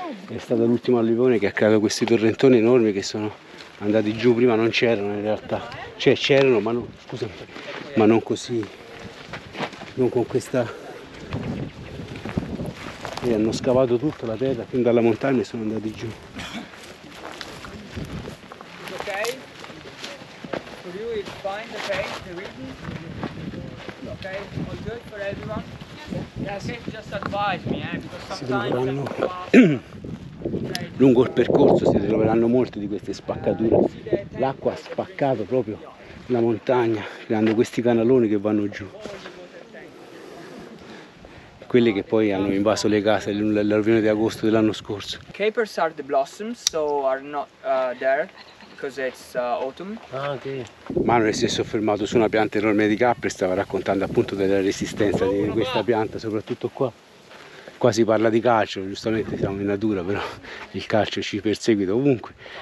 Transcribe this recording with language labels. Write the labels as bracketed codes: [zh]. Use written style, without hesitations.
[it] È stato l'ultimo alluvione che ha creato questi torrentoni enormi che sono andati giù. Prima non c'erano in realtà. Cioè c'erano, ma non, scusami, ma non così. Non con questa. E hanno scavato tutta la terra fin dalla montagna e sono andati giù. Ok? [en] For you it's fine, the pain, the reason. Ok, all good for everyone. Yes. Yes. Just advise me, because sometimes [it] si troveranno lungo il percorso si troveranno molte di queste spaccature. L'acqua ha spaccato proprio la montagna, creando questi canaloni che vanno giù. Quelli che poi hanno invaso le case nell'alluvione di agosto dell'anno scorso. [en] Capers are the blossoms, so are not there because it's autumn. Ah, ok. [it] Manuel si è soffermato su una pianta enorme di capri e stava raccontando appunto della resistenza di questa pianta, soprattutto qua. Qua si parla di calcio, giustamente siamo in natura, però il calcio ci persegue ovunque.